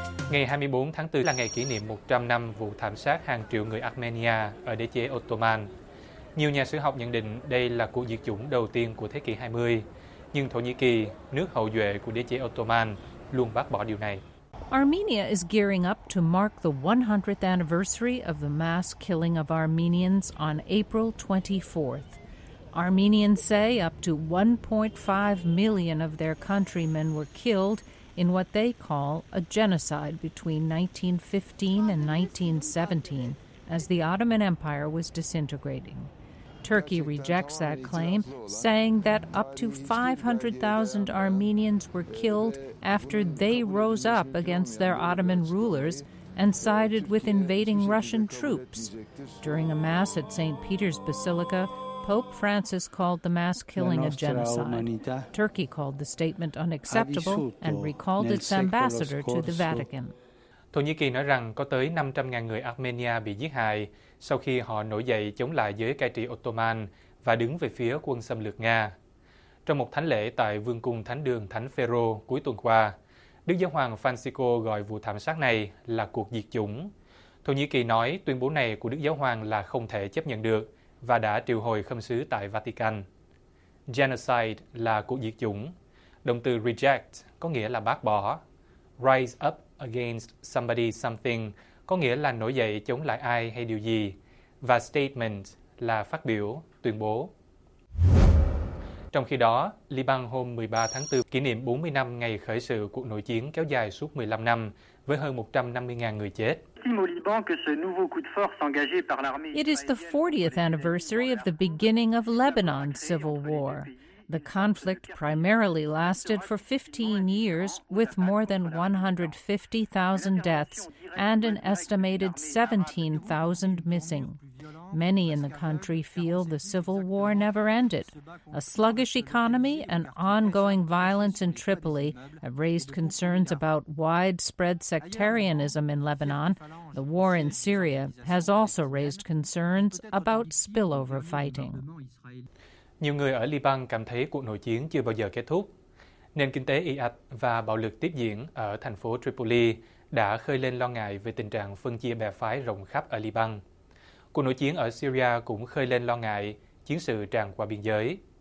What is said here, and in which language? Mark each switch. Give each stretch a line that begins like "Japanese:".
Vietnamese: Ngày 24 tháng 4 là ngày kỷ niệm 100 năm vụ thảm sát hàng triệu người Armenia ở đế chế Ottoman. Nhiều nhà sử học nhận định đây là cuộc diệt chủng đầu tiên của thế kỷ 20, nhưng Thổ Nhĩ Kỳ, nước hậu duệ của đế chế Ottoman, luôn bác bỏ điều này.
English: Armenia is gearing up to mark the 100th anniversary of the mass killing of Armenians on April 24th. Armenians say up to 1.5 million of their countrymen were killed in what they call a genocide between 1915 and 1917 as the Ottoman Empire was disintegrating. Turkey rejects that claim, saying that up to 500,000 Armenians were killed after they rose up against their Ottoman rulers and sided with invading Russian troops. During a mass at St. Peter's Basilica, Pope Francis called the mass killing a genocide. Turkey called the statement unacceptable and recalled its ambassador to the Vatican.
Vietnamese: Thổ Nhĩ Kỳ nói rằng có tới 500.000 người Armenia bị giết hại sau khi họ nổi dậy chống lại giới cai trị Ottoman và đứng về phía quân xâm lược Nga. Trong một thánh lễ tại Vương cung Thánh đường Thánh Phêrô cuối tuần qua, Đức Giáo hoàng Francisco gọi vụ thảm sát này là cuộc diệt chủng. Thổ Nhĩ Kỳ nói tuyên bố này của Đức Giáo hoàng là không thể chấp nhận được và đã triệu hồi khâm sứ tại Vatican. Genocide là cuộc diệt chủng. Động từ reject có nghĩa là bác bỏ.
English: Rise up against somebody something
Vietnamese: có nghĩa là nổi dậy chống lại ai hay điều gì, và statement là phát biểu, tuyên bố. Trong khi đó, Liban hôm 13 tháng 4 kỷ niệm 40 năm ngày khởi sự cuộc nội chiến kéo dài suốt 15 năm với hơn 150.000 người chết.
English: It is the 40th anniversary of the beginning of Lebanon's civil war. The conflict primarily lasted for 15 years with more than 150,000 deaths and an estimated 17,000 missing. Many in the country feel the civil war never ended. A sluggish economy and ongoing violence in Tripoli have raised concerns about widespread sectarianism in Lebanon. The war in Syria has also raised concerns about spillover fighting.
Vietnamese: Nhiều người ở Liban cảm thấy cuộc nội chiến chưa bao giờ kết thúc. Nền kinh tế ì ạch và bạo lực tiếp diễn ở thành phố Tripoli đã khơi lên lo ngại về tình trạng phân chia bè phái rộng khắp ở Liban. Cuộc nội chiến ở Syria cũng khơi lên lo ngại chiến sự tràn qua biên giới.